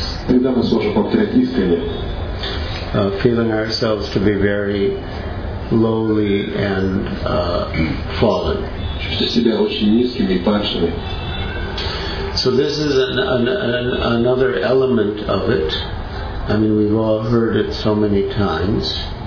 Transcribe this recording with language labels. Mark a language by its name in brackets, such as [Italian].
[Russian] Тогда мы сможем повторять искренне. [English] Feeling ourselves to be very lowly and fallen. [Russian] Чувствуя себя очень низкими и падшими. [English] So this is another element of it. I mean, we've all heard it so many times.